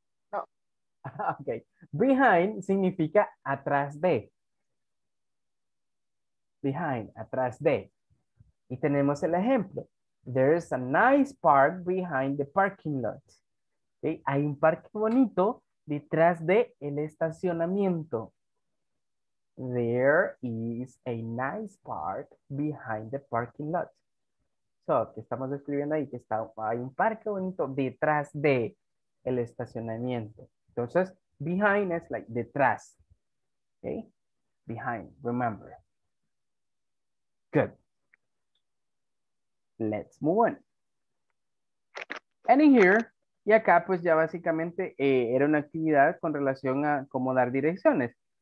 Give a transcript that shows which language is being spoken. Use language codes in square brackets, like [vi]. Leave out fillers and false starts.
[es] Ok. Behind significa atrás de. Behind, atrás de. Y tenemos el ejemplo. [en] There is a nice park behind the parking lot. Okay. [es] Hay un parque bonito detrás de el estacionamiento. [en] There is a nice park behind the parking lot. So [es] shop que estamos describiendo ahí, que está, hay un parque bonito detrás de el estacionamiento. Entonces, behind es like detrás. Okay? [en] Behind, remember. Good. Let's move on. And in here, [es] y acá pues ya básicamente era una actividad con relación a cómo dar direcciones.